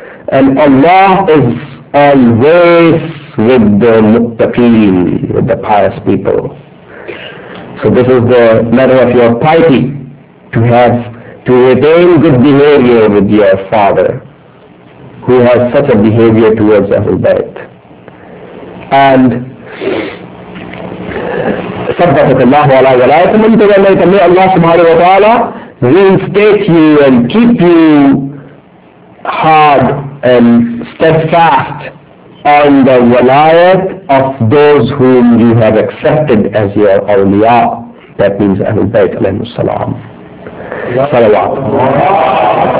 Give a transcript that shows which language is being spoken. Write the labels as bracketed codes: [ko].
[en] And Allah is always with the muttaqeen, with the pious people. So this is the matter of your piety, to retain good behavior with your father, who has such a behavior towards Ahlul Bayt. [ar] And صَبَّتَكَ اللَّهُ عَلَى وَلَايَةِ مَنْ تَوَلَّيْتَ. [en] May Allah subhanahu wa ta'ala reinstate you and keep you hard and steadfast on the walayat of those whom you have accepted as your awliya. That means Ahlul Bayt alayhi salam. Salawat.